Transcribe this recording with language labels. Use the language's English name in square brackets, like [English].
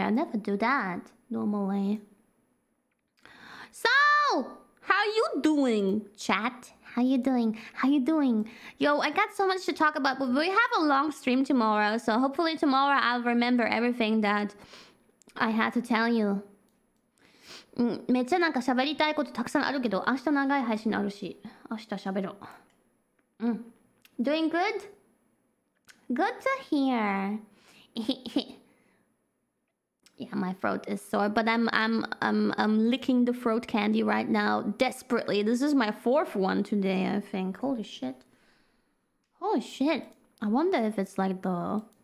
[English] I never do that normally. So, how you doing, chat? How you doing? How you doing? Yo, I got so much to talk about, but we have a long stream tomorrow. So hopefully tomorrow I'll remember everything that I had to tell you. [Japanese] めっちゃなんか喋りたいことたくさんあるけど、明日長い配信あるし、明日喋ろう。 [English] うん。Doing good? Good to hear. Yeah, my throat is sore, but I'm licking the throat candy right now, desperately. This is my fourth one today, I think. Holy shit. Holy shit. I wonder if it's like the